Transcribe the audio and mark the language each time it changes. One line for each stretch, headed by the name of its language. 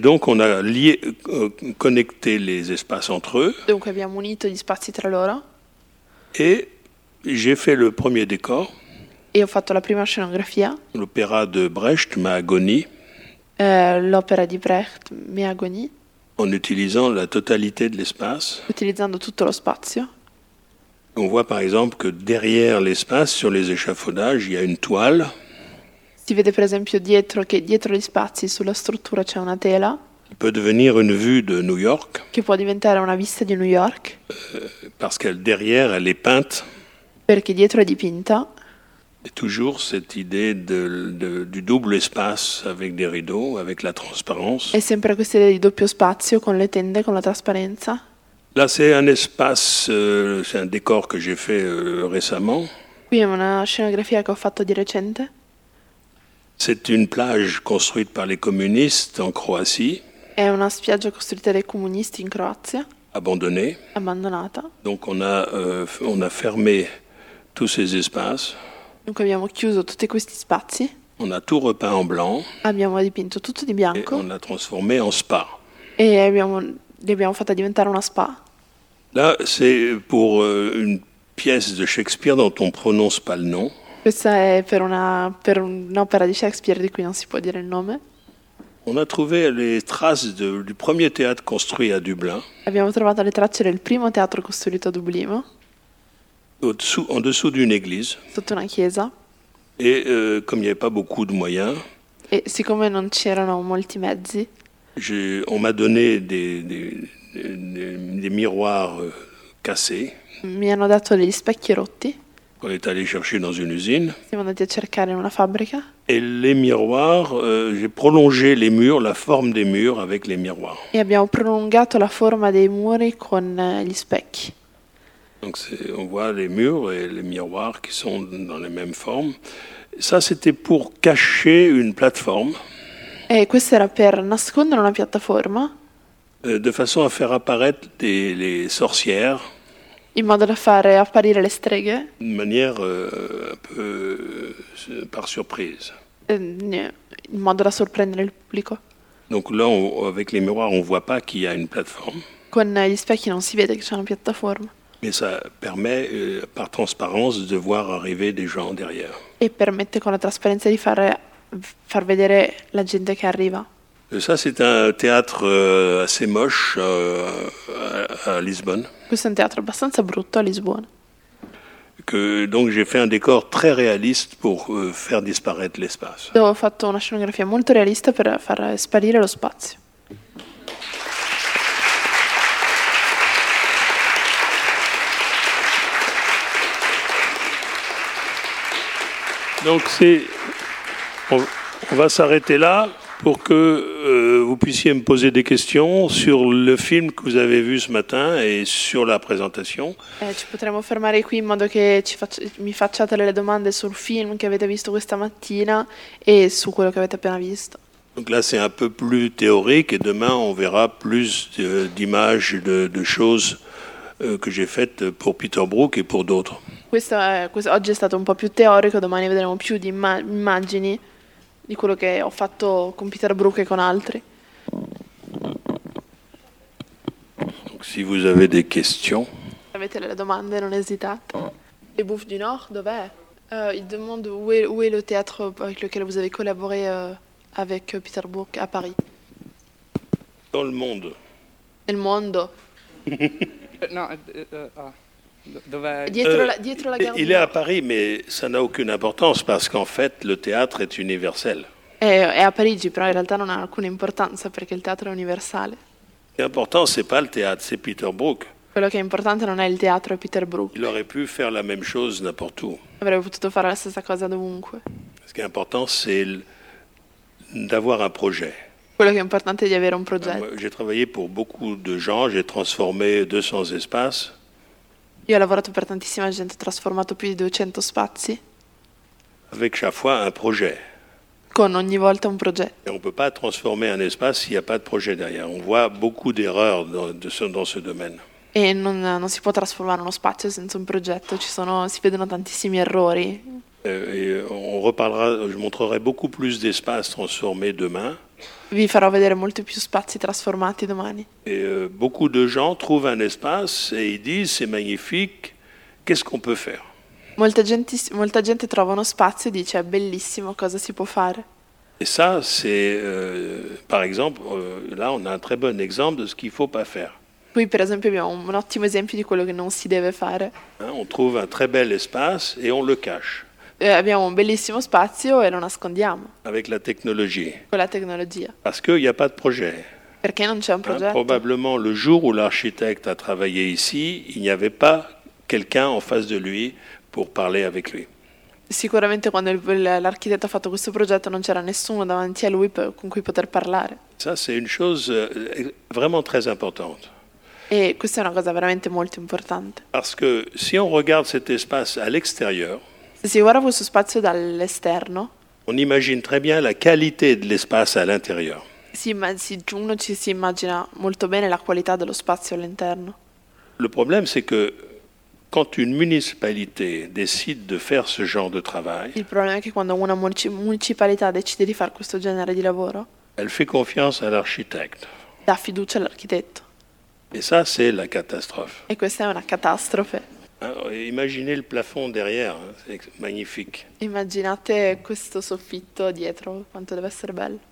French: donc on a lié, connecté les espaces entre eux.
Italian: Dunque abbiamo unito gli spazi tra loro.
French: Et j'ai fait le premier décor.
Italian: E ho fatto la prima scenografia.
French: L'opéra de Brecht, Ma agonie.
Italian: L'opera di Brecht, Mi agoni.
French: En utilisant la totalité de l'espace.
Italian: Utilizzando tutto lo spazio.
French: On voit par exemple que derrière l'espace, sur les échafaudages, il y a une toile.
Italian: Si vede per esempio dietro che dietro gli spazi sulla struttura c'è una tela.
French: Peut devenir une vue de New York.
Italian: Che può diventare una vista di New York.
French: Parce qu'elle derrière elle est peinte.
Italian: Perché dietro è dipinta.
French: Et toujours cette idée du double espace avec des rideaux, avec la transparence.
Italian: È sempre questa idea di doppio spazio con le tende, con la trasparenza.
French: Là, c'est un espace, c'est un décor que j'ai fait récemment.
Italian: Qui è una scenografia che ho fatto di recente.
French: C'est une plage construite par les communistes en Croatie.
Italian: È una spiaggia costruita dai comunisti in Croazia.
French: Abbandonnée.
Italian: Abbandonata.
French: Donc on a fermé tous ces espaces.
Italian: Dunque abbiamo chiuso tutti questi spazi.
French: On a tout repeint en blanc.
Italian: Abbiamo dipinto tutto di bianco.
French: Et on l'a transformé en spa.
Italian: E li abbiamo fatta diventare una spa.
French: Là, c'est pour une pièce de Shakespeare dont on prononce pas le nom.
Italian: Questa è per un'opera di Shakespeare di cui non si può dire il nome.
French: On a trouvé les traces du premier théâtre construit à Dublin.
Italian: Abbiamo trovato le tracce del primo teatro costruito a Dublino.
French: En dessous d'une église.
Italian: Sotto una chiesa.
French: Et comme il n'y avait pas beaucoup de moyens.
Italian: E siccome non c'erano molti mezzi.
French: On m'a donné des miroirs cassés.
Italian: Mi hanno dato degli specchi rotti.
French: On est allé chercher dans une usine.
Italian: Siamo andati a cercare in una fabbrica.
French: Et les miroirs, j'ai prolongé les murs, la forme des murs avec les miroirs.
Italian: E abbiamo prolungato la forma dei muri con gli specchi.
French: Donc on voit les murs et les miroirs qui sont dans les mêmes formes. Ça, c'était pour cacher une plateforme.
Italian: E questo era per nascondere una piattaforma.
French: De façon à faire apparaître les sorcières.
Italian: In modo da fare apparire le streghe.
French: De manière un peu par surprise.
Italian: In modo da sorprendere il pubblico.
French: Donc là, avec les miroirs, on ne voit pas qu'il y a une plateforme.
Italian: Con gli specchi non si vede che c'è una piattaforma.
French: Mais ça permet par transparence de voir arriver des gens derrière.
Italian: E permette con la trasparenza di far vedere la gente che arriva.
French: Ça c'est un théâtre assez moche à Lisbonne.
Italian: Questo è un teatro abbastanza brutto a Lisbona.
French: Donc j'ai fait un décor très réaliste pour faire disparaître l'espace.
Italian: Ho fatto una scenografia molto realista per far sparire lo spazio.
French: Donc c'est... On va s'arrêter là pour que vous puissiez me poser des questions sur le film que vous avez vu ce matin et sur la présentation.
Italian: Ci potremmo fermare qui in modo che ci mi facciate le domande sul film che avete visto questa mattina e su quello che avete appena visto.
French: Donc là, c'est un peu plus théorique et demain, on verra plus d'images, de choses que j'ai faites pour Peter Brook et pour d'autres.
Italian: Questo oggi è stato un po' più teorico, domani vedremo più di immagini di quello che ho fatto con Peter Brook e con altri.
French: Donc, si vous avez des questions.
Italian: Se avete delle domande, non esitate. Le Bouffes du Nord, dov'è?
French: Il demande où est le théâtre avec lequel vous avez collaboré avec Peter Brook à Paris. Dans le monde.
Italian: Nel mondo.
French: Non,
Italian: dietro la
French: il est à Paris, mais ça n'a aucune importance parce qu'en fait, le théâtre est universel.
Italian: È a Parigi, però in realtà non ha alcuna importanza perché il teatro è universale.
French: L'important, c'est pas le théâtre, c'est Peter Brook.
Italian: Quello che è importante non è il teatro, è Peter Brook.
French: Il aurait pu faire la même chose n'importe où.
Italian: Avrebbe potuto fare la stessa cosa dovunque.
French: Ce qui est important, c'est d'avoir un projet.
Italian: Quello che è importante è di avere un progetto.
French: J'ai travaillé pour beaucoup de gens, j'ai transformé 200 espaces.
Italian: Io ho lavorato per tantissima gente, ho trasformato più di 200 spazi.
French: Avec chaque fois un projet.
Italian: Con ogni volta un progetto.
French: Et on peut pas transformer un espace s'il y a pas de projet derrière. On voit beaucoup d'erreurs dans ce domaine.
Italian: E non si può trasformare uno spazio senza un progetto, si vedono tantissimi errori.
French: Et on reparlera, je montrerai beaucoup plus d'espaces transformés demain.
Italian: Vi farò vedere molto più spazi trasformati domani.
French: Et beaucoup de gens trouvent un espace et ils disent c'est magnifique, qu'est-ce qu'on peut faire?
Italian: Molta gente trova uno spazio e dice è bellissimo, cosa si può fare?
French: Et ça, c'est par exemple, là on a un très bon exemple de ce qu'il ne faut pas faire.
Italian: Qui per esempio abbiamo un ottimo esempio di quello che non si deve fare.
French: On trouve un très bel espace et on le cache.
Italian: Abbiamo un bellissimo spazio e lo nascondiamo.
French: Avec la technologie.
Italian: Con la tecnologia.
French: Parce qu'il n'y a pas de projet.
Italian: Perché non c'è un progetto.
French: Probablement le jour où l'architecte a travaillé ici, il n'y avait pas quelqu'un en face de lui pour parler avec lui.
Italian: Sicuramente quando l'architetto ha fatto questo progetto non c'era nessuno davanti a lui con cui poter parlare.
French: Ça c'est une chose vraiment très importante.
Italian: E questa è una cosa veramente molto importante.
French: Parce que si on regarde cet espace à l'extérieur.
Italian: Si guarda questo spazio dall'esterno.
French: On imagine très bien la qualité de l'espace à l'intérieur.
Italian: Sì, ma uno ci si immagina molto bene la qualità dello spazio all'interno.
French: Le problème c'est que quand une municipalité décide de faire ce genre de travail.
Italian: Il problema è che quando una municipalità decide di fare questo genere di lavoro.
French: Elle fait confiance à l'architecte.
Italian: Dà fiducia all'architetto.
French: Et ça, c'est la catastrophe.
Italian: E questa è una catastrofe.
French: Imaginez le plafond derrière, c'est magnifique.
Italian: Immaginate questo soffitto dietro, quanto deve essere bello.